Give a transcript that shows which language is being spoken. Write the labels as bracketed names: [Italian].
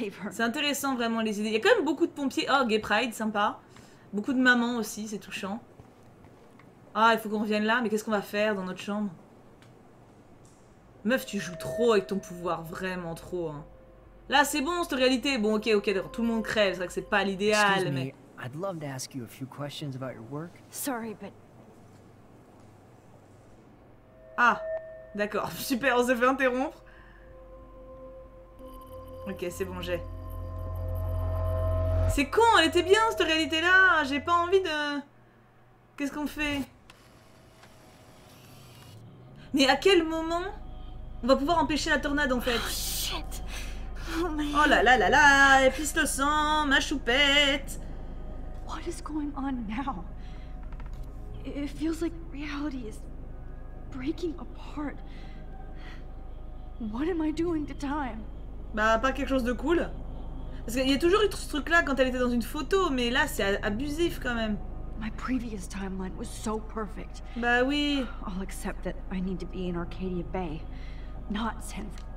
[French] C'est intéressant vraiment les idées. Il y a quand même beaucoup de pompiers. Oh, Gay Pride, sympa. Beaucoup de mamans aussi, c'est touchant. Ah, il faut qu'on revienne là, mais qu'est-ce qu'on va faire dans notre chambre? Meuf, tu joues trop avec ton pouvoir, vraiment trop, hein. Là, c'est bon, cette réalité. Bon, ok, ok, d'accord. Tout le monde crève. C'est vrai que c'est pas l'idéal, mais... [English] I'd love to ask you a few questions about your work. Sorry, but... [French] Ah, d'accord. Super, on s'est fait interrompre. Ok, c'est bon, j'ai. C'est con, elle était bien, cette réalité-là. J'ai pas envie de... Qu'est-ce qu'on fait? Mais à quel moment on va pouvoir empêcher la tornade, en fait? [English] Oh, shit. [French] Oh là là là là, elle pisse le sang, ma choupette. [English] What is going on now? It feels like reality is breaking apart. What am I doing to time? [French] Bah, pas quelque chose de cool. Parce qu'il y a toujours eu ce truc là quand elle était dans une photo, mais là c'est abusif quand même. [English] My previous timeline was so perfect. [French] Bah oui. [English] I'll accept that I need to be in Arcadia Bay, not San.